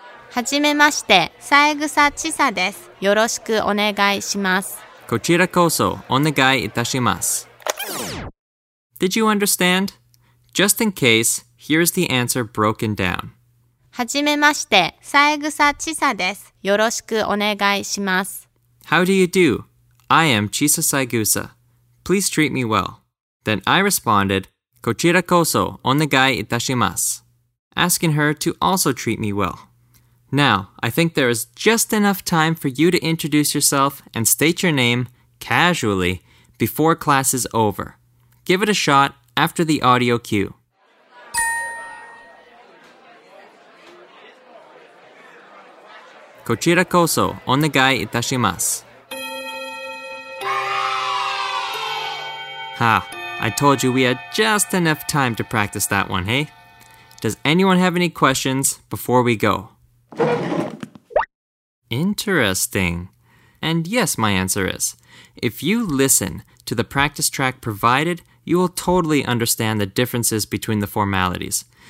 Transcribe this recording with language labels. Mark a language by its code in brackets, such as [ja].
[ja] はじめまして、三枝千佐です。よろしくお願いします。こちらこそ、お願いいたします。 [en] Did you understand? Just in case, here's the answer broken down. [ja] はじめまして、三枝千佐です。よろしくお願いします。 [en] How do you do? I am Chisa Saigusa. Please treat me well. Then I responded, [ja] こちらこそ、お願いいたします。 [en] Asking her to also treat me well. Now, I think there is just enough time for you to introduce yourself and state your name, casually, before class is over. Give it a shot after the audio cue. [ja] こちらこそ、お願いいたします。 [en] Ha, I told you we had just enough time to practice that one, hey? Does anyone have any questions before we go? Interesting. And yes, my answer is, if you listen to the practice track provided, you will totally understand the differences between the formalities.